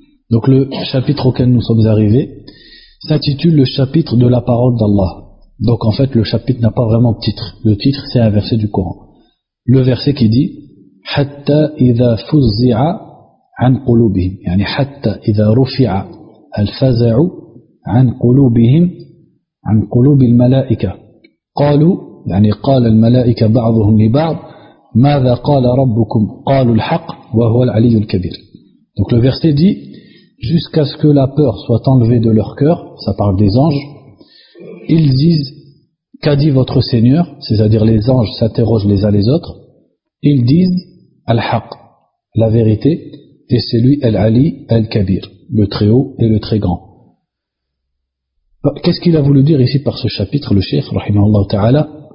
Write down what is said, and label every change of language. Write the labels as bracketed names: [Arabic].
[French] Donc le chapitre auquel nous sommes arrivés s'intitule le chapitre de la parole d'Allah. Donc en fait, le chapitre n'a pas vraiment de titre. Le titre, c'est un verset du Coran. Le verset qui dit [Arabic] « حَتَّى إِذَا فُزِّعَ عَنْ قُلُوبِهِمْ » يعني « حَتَّى إِذَا رُفِعَ الْفَزَعُ عَنْ قُلُوبِهِمْ عَنْ قُلُوبِ الْمَلَائِكَةِ قَالُوا يعني قال الملائكة بعضهم لبعض « ماذا قال ربكم قالوا الحق وهو العلي الكبير » [French] Donc le verset dit « jusqu'à ce que la peur soit enlevée de leur cœur » ça parle des anges. Ils disent, qu'a dit votre Seigneur, c'est-à-dire les anges s'interrogent les uns les autres, ils disent, Al-Haq, la vérité, et c'est lui, Al-Ali, Al-Kabir, le très haut et le très grand. Qu'est-ce qu'il a voulu dire ici par ce chapitre, le Cheikh, rahimahullah ta'ala?